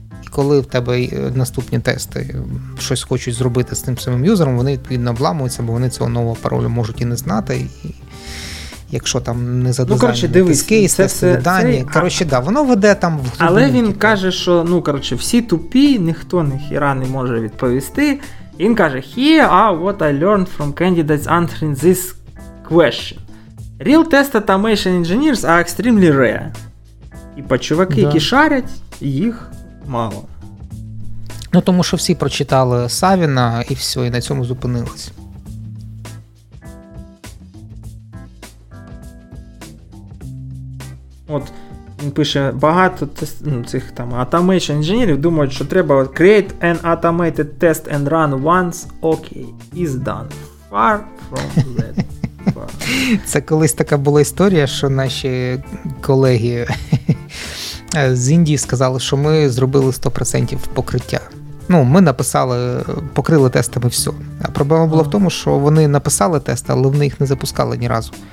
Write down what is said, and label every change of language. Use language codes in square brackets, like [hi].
[uk] Коли в тебе наступні тести щось хочуть зробити з тим самим юзером, вони відповідно обламуються, бо вони цього нового паролю можуть і не знати. І якщо там не задизайнені кейс, тести, дані. Воно веде там в глибинки. Але він каже, що всі тупі, ніхто ніхіра не може відповісти. Він каже, [en] here are what I learned from candidates answering this question. Real test automation engineers are extremely rare. [uk] І по чуваки, які шарять, їх мало. Ну, тому що всі прочитали Савіна і все, і на цьому зупинились. От, він пише, багато цих там [en] automation [uk] інженерів думають, що треба [en] create an automated test and run once, okay, is done. Far from that. [uk] Це колись така була історія, що наші колеги з Індії сказали, що ми зробили 100% покриття. Ну, ми написали, покрили тестами все. А проблема була в тому, що вони написали тести, але вони їх не запускали ні разу.